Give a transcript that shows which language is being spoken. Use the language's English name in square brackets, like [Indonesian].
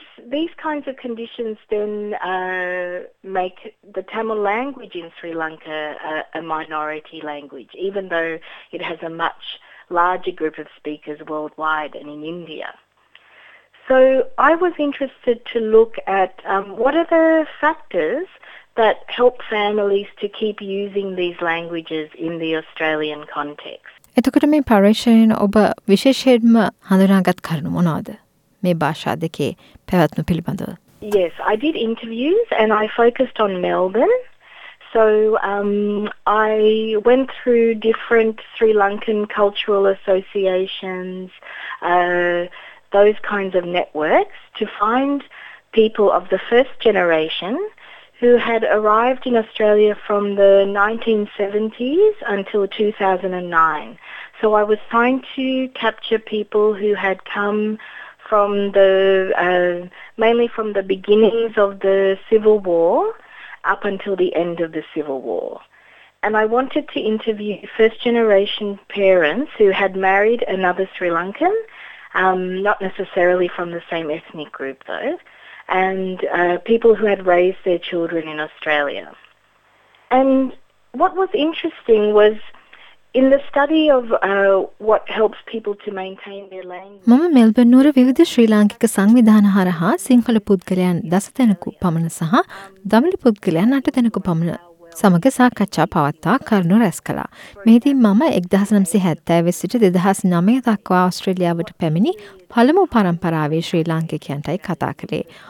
[English] These kinds of conditions then make the Tamil language in Sri Lanka a minority language, even though it has a much larger group of speakers worldwide and in India. So I was interested to look at what are the factors that help families to keep using these languages in the Australian context. [Sinhala] එතකොට මේ පර්යේෂණයෙන් ඔබ විශේෂයෙන්ම හඳුනාගත් කරුණු මොනවාද? මේ භාෂා දෙකේ පැවැත්ම පිළිබඳව. [English] Yes, I did interviews and I focused on Melbourne. So I went through different Sri Lankan cultural associations, those kinds of networks to find people of the first generation who had arrived in Australia from the 1970s until 2009. So I was trying to capture people who had come from the mainly from the beginnings of the Civil War up until the end of the Civil War. And I wanted to interview first generation parents who had married another Sri Lankan, not necessarily from the same ethnic group though, and people who had raised their children in Australia. And what was interesting was in the study of what helps people to maintain their language. [Sinhala] මම Melbourne නුවර විවිධ ශ්‍රී ලාංකික සංවිධාන හරහා සිංහල පුද්ගලයන් දස දෙනෙකු පමණ සහ දමිළ පුද්ගලයන් අට දෙනෙකු පමණ සමග සාකච්ඡා පවත්වා කරුණු රැස් කළා. මෙහිදී මම 1970 සිට 2009 දක්වා ඔස්ට්‍රේලියාවට පැමිණි පළමු පරම්පරාවේ ශ්‍රී ලාංකිකයන්ටයි කතා කළේ.